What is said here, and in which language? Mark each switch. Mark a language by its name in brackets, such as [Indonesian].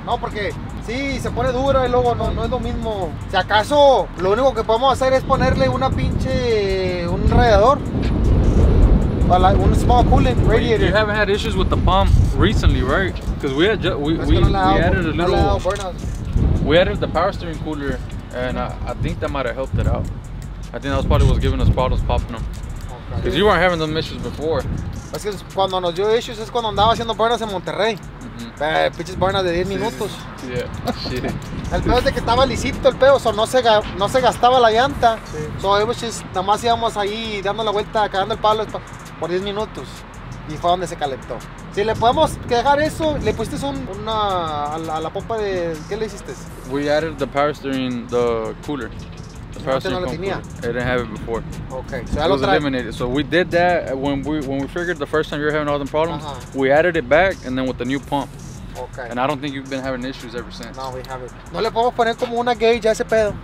[Spanish] No, porque sí, se pone dura y luego no es lo mismo. Si acaso, lo único que podemos hacer es ponerle una pinche, un radiador. [English] Un small coolant radiator. You haven't had issues with the pump recently, right? Because we had we added the power steering cooler, and I think that might have helped it out. I think that was probably what was giving us problems popping them. Because you weren't having them issues before. [Spanish] Es que cuando nos dio issues es cuando andaba haciendo burnouts en Monterrey. Pinches burnouts de 10 minutos. [English] Yeah. [Spanish] El pedo es de que estaba lisito el pedo, o so no se gastaba la llanta. Sí. [English] So it was just, [Spanish] nada más íbamos ahí dando la vuelta, cagando el palo por 10 minutos. Y fue donde se calentó. Si le podemos dejar eso, le pusiste a la popa de... ¿Qué le hiciste? [English] We added the power steering, the cooler. The power steering pump cooler. It didn't have it before. Okay. So it was eliminated. So we did that when we figured the first time you were having all the problems, we added it back and then with the new pump. Okay. And I don't think you've been having issues ever since. No, we haven't. [Spanish] No le podemos poner como una gauge a ese pedo.